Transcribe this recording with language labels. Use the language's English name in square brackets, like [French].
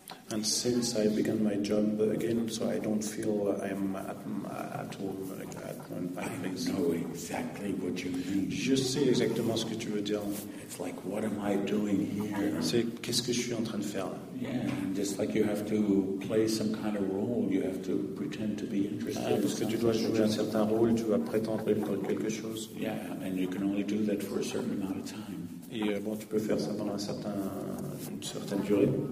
[English] And since I began my job again, so I don't feel I'm at home at my place. I know exactly what you mean. [French] Je sais exactement ce que tu veux dire. [English] It's like, what am I doing here? [French] C'est qu'est-ce que je suis en train de faire là? [English] Yeah, just like you have to play some kind of role, you have to pretend to be interested. [French] Ah, parce que tu dois jouer un certain rôle, tu vas prétendre être quelque chose. [English] Yeah, and you can only do that for a certain amount of time. [French] Et bon, tu peux faire ça pendant une certaine durée.